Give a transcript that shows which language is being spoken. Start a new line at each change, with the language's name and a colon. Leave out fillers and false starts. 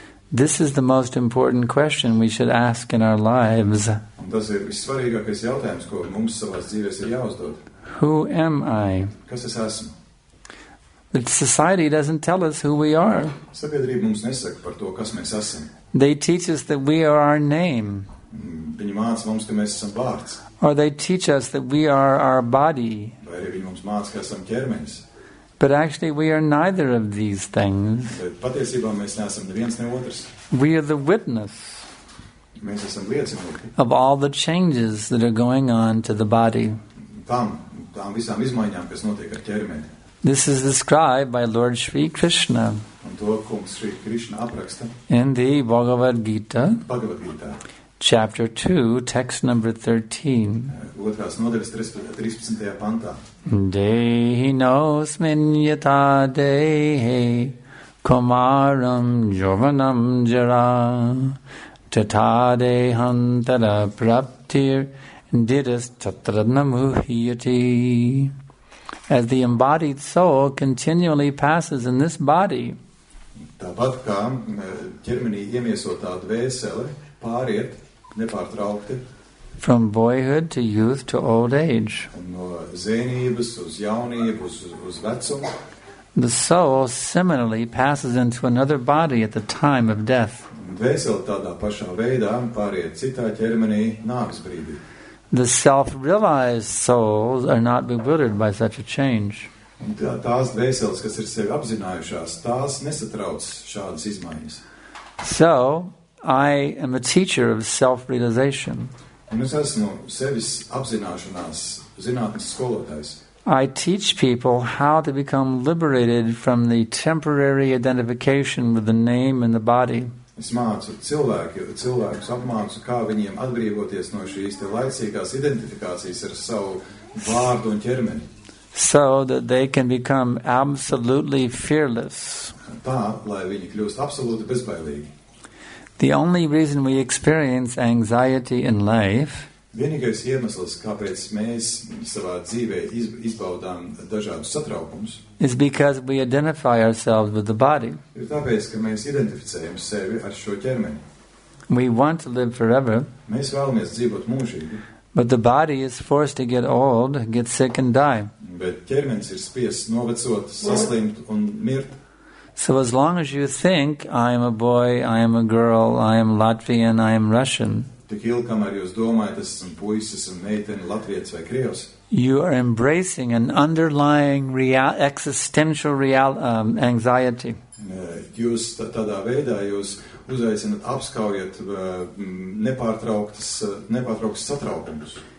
English: This is the most important question we should ask in our lives.
Latvian: Tas ir vissvarīgākais jautājums, ko mums savās dzīvēs ir jāuzdod.
English: Who am I?
Latvian: Kas es esmu?
English: But society doesn't tell us who we are.
Latvian: Sabiedrība mums nesaka par to, kas mēs esam.
English: They teach us that we are our name.
Latvian: Viņi māca mums, ka mēs esam vārds.
English: Or they teach us that we are our body.
Latvian: Vai arī viņi mums māca, ka esam ķermenis.
English: But actually we are neither of these things.
Latvian: Bet patiesībā mēs neesam neviens ne otrs.
English: We are the witness.
Latvian: Mēs esam liecinieki.
English: Of all the changes that are going on to the body.
Latvian: Tām visām izmaiņām, kas notiek ar ķermeni.
English: This is described by Lord Sri Krishna.
Latvian: Un to, ko Sri Krishna apraksta.
English: In the Bhagavad Gita. Chapter 2, text number 13.
Latvian: Otrās nodaļas 13. Pantā.
Sanskrit: Dehi nosmin yata dehi kumaram jovanam jara tata dehan tara praptir didas tatradnam uhiyati.
English: As the embodied soul continually passes in this body,
Latvian: tāpat kā ķermenī iemiesotā dvēsele pāriet nepārtraukti
English: from boyhood to youth to old age,
Latvian: no zēnības uz jaunību uz vecumu,
English: the soul similarly passes into another body at the time of death.
Latvian: Dvēsele tādā pašā veidā pāriet citā ķermenī nāves brīdī.
English: The self-realized souls are not bewildered by such a change.
Latvian: Tās dvēseles, kas ir sevi apzinājušās, tās nesatrauc šādas izmaiņas.
English: So, I am a teacher of self-realization.
Latvian: Un es esmu sevis apzināšanās zinātnes skolotājs.
English: I teach people how to become liberated from the temporary identification with the name and the body.
Latvian: Es mācu cilvēkus apmācu, kā viņiem atbrīvoties no šīs te laicīgās identifikācijas ar savu vārdu un ķermeni.
English: So that they can become absolutely fearless.
Latvian: Tā, lai viņi kļūst absolūti bezbailīgi.
English: The only reason we experience anxiety in life,
Latvian: vienīgais iemesls, kāpēc mēs savā dzīvē izbaudām dažādus satraukumus,
English: is because we identify ourselves with the body.
Latvian: Ir tāpēc, ka mēs identificējam sevi ar šo ķermeni.
English: We want to live forever.
Latvian: Mēs vēlamies dzīvot mūžīgi.
English: But the body is forced to get old, get sick and die.
Latvian: Bet ķermenis ir spiests novecot, saslimt un mirt.
English: So as long as you think, I am a boy, I am a girl, I am Latvian, I am Russian,
Latvian: tik ilgkamēr jūs domājat, es esmu puisis un meiteni, latvietis vai krievs,
English: you are embracing an underlying existential anxiety.
Latvian: Jūs tādā veidā jūs uzaicinat, apskaujat nepārtrauktas satraukumus.